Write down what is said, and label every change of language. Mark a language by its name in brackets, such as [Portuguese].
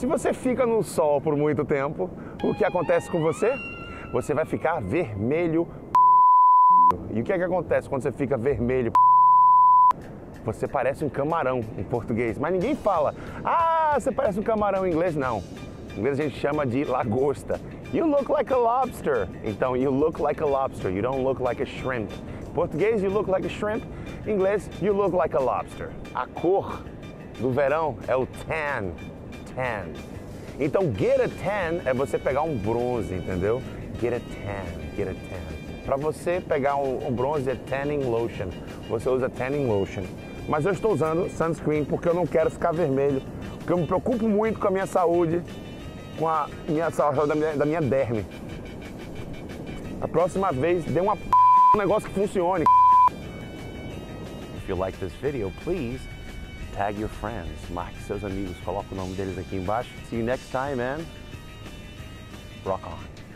[Portuguese] Se você fica no sol por muito tempo, o que acontece com você? Você vai ficar vermelho. E o que é que acontece quando você fica vermelho? Você parece um camarão em português. Mas ninguém fala, ah, você parece um camarão em inglês, não. Em inglês a gente chama de lagosta. [English] You look like a lobster. Então, you look like a lobster. You don't look like a shrimp. [Portuguese] Em português, [English] you look like a shrimp. [Portuguese] Em inglês, [English] you look like a lobster. [Portuguese] A cor do verão é o tan. Tan. Então, get a tan é você pegar um bronze, entendeu? [English] Get a tan, get a tan. [Portuguese] Pra você pegar um bronze é [English] tanning lotion. [Portuguese] Você usa tanning lotion. Mas eu estou usando sunscreen porque eu não quero ficar vermelho. Porque eu me preocupo muito com a minha saúde. Com a minha saúde da minha derme. A próxima vez, dê uma p... um negócio que funcione. [English] If you like this video, please tag your friends. [Portuguese] Marque seus amigos, coloque o nome deles aqui embaixo. [English] See you next time, man. Rock on.